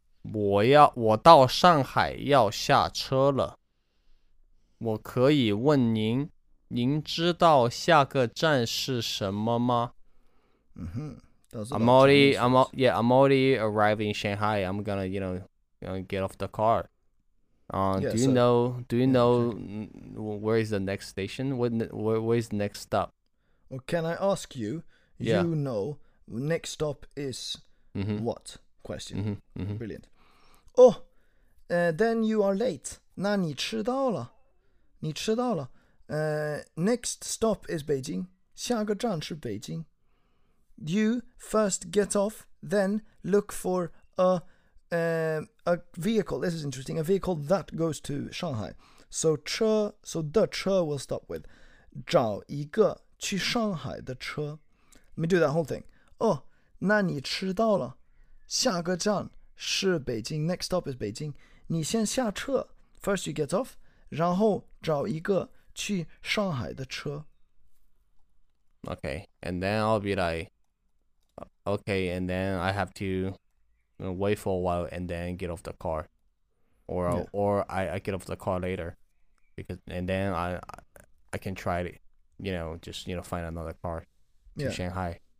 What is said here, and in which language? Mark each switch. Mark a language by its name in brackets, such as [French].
[Chinese] 我到上海要下车了。我可以问您，您知道下个站是什么吗？ [English] Mm-hmm. I'm already arriving in Shanghai. I'm gonna, you know, get off the car. Where is the next station? Where is the next stop? Well, can I ask you? Yeah. You know, next stop is what? Question. Mm-hmm. Mm-hmm. Brilliant. Oh, then you are late. [Chinese] 那你迟到了。 [English] Next stop is Beijing. [Chinese] 下个站是北京。 [English] You first get off, then look for a vehicle. This is interesting. A vehicle that goes to Shanghai. So the 车 will stop with. [Chinese] 找一个去上海的车. [English] Let me do that whole thing. [Chinese] Oh, 那你迟到了。下个站是北京. [English] Next stop is Beijing. [Chinese] 你先下车. [English] First you get off. [Chinese] 然后找一个去上海的车. [English] Okay, and then I'll be like, okay, and then I have to wait for a while and then get off the car, or I get off the car later, because then I can try to, just find another car to Shanghai.